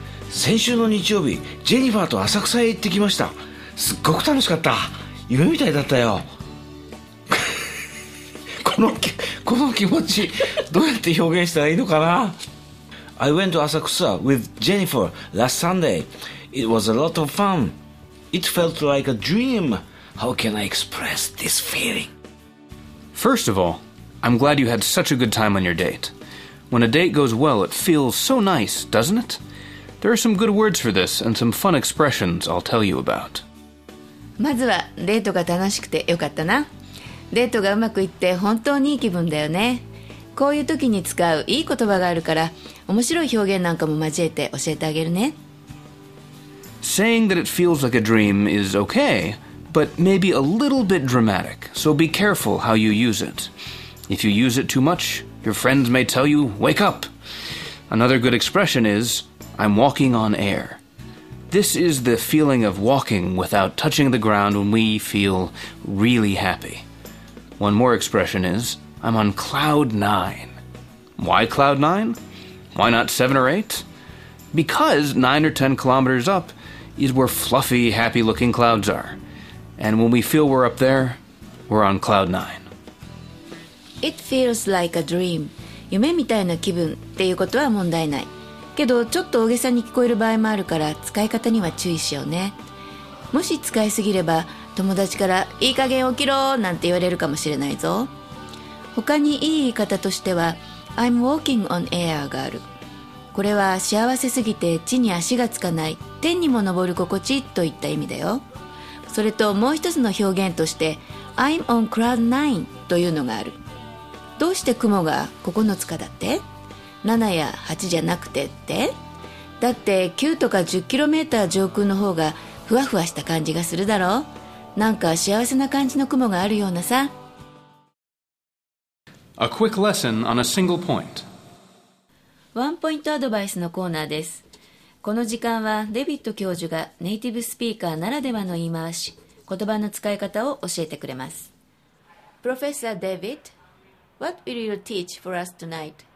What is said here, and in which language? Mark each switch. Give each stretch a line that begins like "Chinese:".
Japanese: 先週の日曜日、ジェニファーと浅草へ行ってきました。すっごく楽しかった。夢みたいだったよ。この気持ちどうやって表現したらいいのかな。
English: I went to 浅草 with Jennifer last Sunday. It was a lot of fun. It felt like a dream. How can I express this feeling? First of all, I'm glad you had such a good time on your date. When a date goes well, it feels so nice, doesn't it? There are some good words for this and some fun expressions I'll tell you about.
Japanese: まずはデートが楽しくてよかったな。デートがうまくいって本当にいい気分だよね。こういう時に使ういい言葉があるから、面白い表現なんかも交えて教えてあげるね。
English: Saying that it feels like a dream is okay, but maybe a little bit dramatic, so be careful how you use it. If you use it too much, your friends may tell you, wake up! Another good expression is, I'm walking on air. This is the feeling of walking without touching the ground when we feel really happy. One more expression is, I'm on cloud nine. Why cloud nine? Why not seven or eight? Because 9 or 10 kilometers up is where fluffy, happy-looking clouds are. And when we feel we're up there, we're on cloud nine. It feels like a dream.
Japanese: 夢みたいな気分っていうことは問題ない。けどちょっと大げさに聞こえる場合もあるから使い方には注意しようね。もし使いすぎれば友達からいい加減起きろなんて言われるかもしれないぞ。他にいい言い方としては
English: I'm walking on air
Japanese: がある。これは幸せすぎて地に足がつかない、天にも昇る心地といった意味だよ。それともう一つの表現として
English: I'm on cloud nine
Japanese: というのがある。どうして雲が9つかだって?7や8じゃなくてって? だって9とか10キロメーター上空の方がふわふわした感じがするだろう。なんか幸せな感じの雲があるようなさ。
English: A quick lesson on a single point.
Japanese: ワンポイントアドバイスのコーナーです。この時間はデビッド教授がネイティブスピーカーならではの言い回し、言葉の使い方を教えてくれます。
English: プロフェッサーデビッド、What will you teach for us tonight?